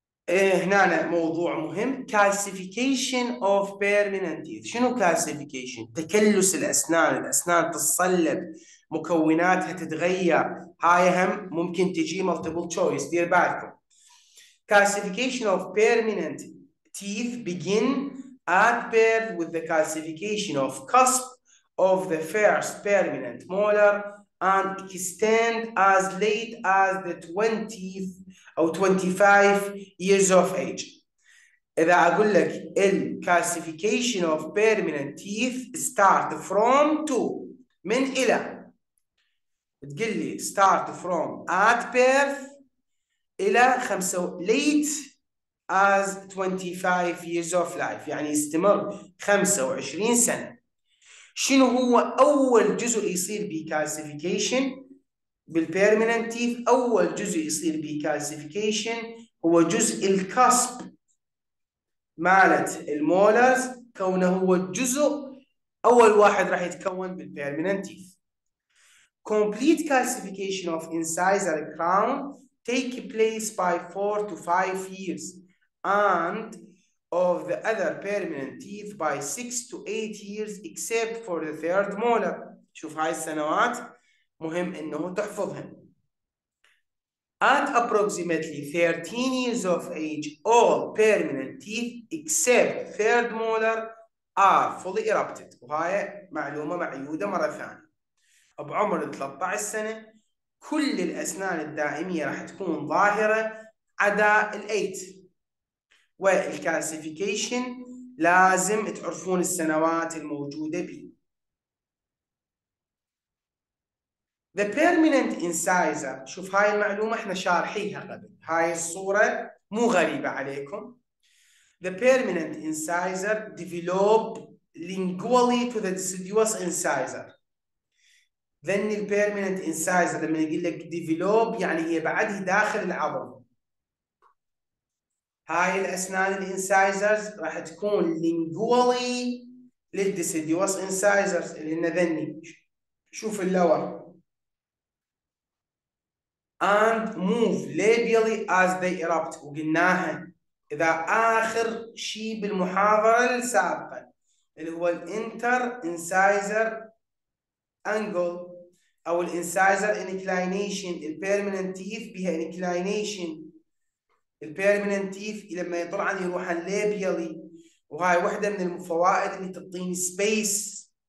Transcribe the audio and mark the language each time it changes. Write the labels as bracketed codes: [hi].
[ar] هنا موضوع مهم، كالسيفيكيشن اوف بيرمننت تيث. شنو كالسيفيكيشن؟ تكلس الاسنان، الاسنان تتصلب، مكوناتها تتغير. هاي هم ممكن تجي مالتيبل تشويس، دير بالكم. [en] Calcification of permanent teeth begin at birth with the calcification of cusp of the first permanent molar and extend as late as the 20th or 25 years of age. [ar] إذا أقول لك ال calcification of permanent teeth [en] start from to [ar] من إلى، تقول لي [en] start from at birth [ar] إلى خمسة [en] late as 25 years of life، [ar] يعني يستمر 25 سنة. شنو هو أول جزء يصير بـ calcification بالpermanent teeth؟ أول جزء يصير بـ calcification هو جزء الكسب مالت المولرز، كونه هو الجزء أول واحد راح يتكون بالpermanent teeth. [en] Complete calcification of incisor crown take place by 4 to 5 years and of the other permanent teeth by 6 to 8 years except for the third molar. [ar] شوف هاي السنوات مهم انه تحفظهم. [en] At approximately 13 years of age, all permanent teeth except third molar are fully erupted. [ar] وهاي معلومة معيودة مرة ثانية. بعمر 13 سنة كل الأسنان الدائمية راح تكون ظاهرة عدا الأيت. والكالسيفيكيشن لازم تعرفون السنوات الموجودة به. [en] The permanent incisor، [ar] شوف هاي المعلومة احنا شارحيها قبل، هاي الصورة مو غريبة عليكم. [en] The permanent incisor develop lingually to the deciduous incisor. Then the permanent incisor [ar] لما يقول لك develop يعني هي بعدها داخل العظم. هاي الأسنان الانسايزرز راح تكون lingually للديسيديوس انسايزرز اللي هن ذني. شوف اللور. [en] And move labially as they erupt. [ar] وقلناها إذا آخر شيء بالمحاضرة السابقة اللي هو الانتر انسايزر انجل أو الانسايزر انكلاينيشن. البيرمننت تيث بها انكلاينيشن. البيرمننت تيث لما يطلع عن يروح الليبيالي، وهاي وحده من الفوائد اللي تعطيني سبيس.